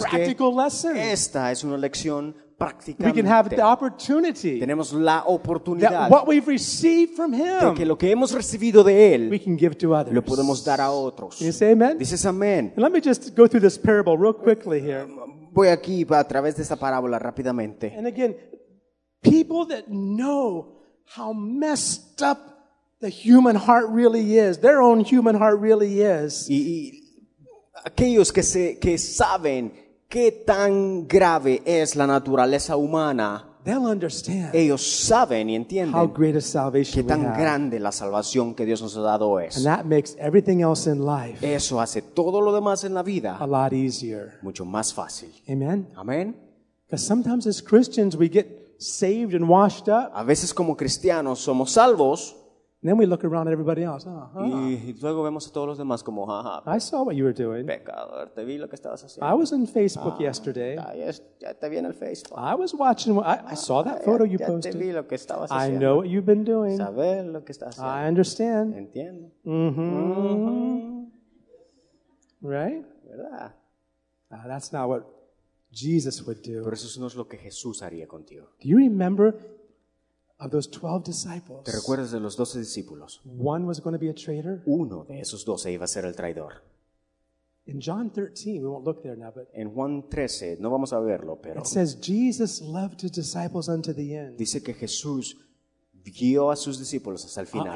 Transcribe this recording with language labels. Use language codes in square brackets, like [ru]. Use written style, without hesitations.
[en] practical [es] qué? [en] Lesson. [es] Esta es una lección práctica. [en] We can have the opportunity. [es] Tenemos la oportunidad. [en] That what we've received from him. [es] Porque lo que hemos recibido de él. [en] We can give to others. [es] Lo podemos dar a otros. [en] Can you say amen? [es] Dices amén. [en] Let me just go through this parable real quickly here. [es] Voy aquí a través de esta parábola rápidamente. [en] And again, people that know how messed up the human heart really is, their own human heart really is. [es] Y aquellos que saben qué tan grave es la naturaleza humana, [en] they'll understand [es] ellos saben y entienden [en] how great a salvation [es] qué tan [en] we have. [es] Grande la salvación que Dios nos ha dado es. [en] And that makes everything else in life [es] eso hace todo lo demás en la vida [en] a lot easier. [es] Mucho más fácil. [en] Amen. [es] Amen. [en] Because sometimes as Christians we get saved and washed up. [es] A veces como cristianos somos salvos. [en] And then we look around at everybody else. Oh, [es] y luego vemos a todos los demás como, [en] I saw what you were doing. [es] Pecador, te vi lo que estabas haciendo. [en] I was on Facebook yesterday. [es] Ya te vi en el Facebook. [en] I was watching. I saw that photo you [es] ya [en] posted. [es] Te vi lo que estabas haciendo. [en] I know what you've been doing. [es] Saber lo que estás haciendo. [en] I understand. [es] Entiendo. [en] Right? [es] ¿Verdad? [en] That's not what Jesus would do. [es] Pero eso no es lo que Jesús haría contigo. [en] Do you remember of those 12 disciples? [es] ¿Te recuerdas de los 12 discípulos? [en] One was going to be a traitor. [es] Uno de esos 12 iba a ser el traidor. [en] In John 13, we won't look there now, but [es] en Juan 13, no vamos a verlo, pero [en] it says Jesus loved his disciples unto the end. [es] Dice que Jesús guió a sus discípulos hasta el final.